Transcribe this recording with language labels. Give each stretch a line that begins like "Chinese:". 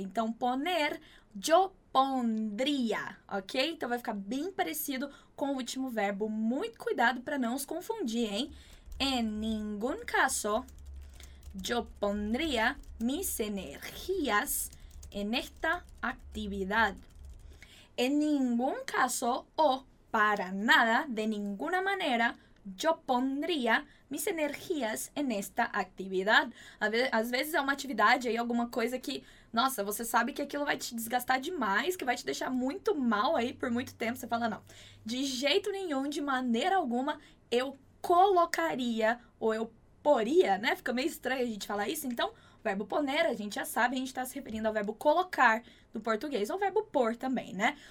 Spanish: Então, poner, yo pondría, ok?
Portuguese: Então, vai ficar bem parecido com o último verbo. Muito cuidado para não os confundir, hein?
Spanish: En ningún caso, yo pondría mis energías en esta actividad. En ningún caso o para nada, de ninguna manera, yo pondría mis energías en esta actividad.
Portuguese: Às vezes é uma atividade aí, alguma coisa que, nossa, você sabe que aquilo vai te desgastar demais, que vai te deixar muito mal aí por muito tempo. Você fala, não, de jeito nenhum, de maneira alguma, eu colocaria ou eu poria, né? Fica meio estranho a gente falar isso. Então, o verbo poner, a gente já sabe, a gente está se referindo ao verbo colocar do português, ou verbo pôr também, né?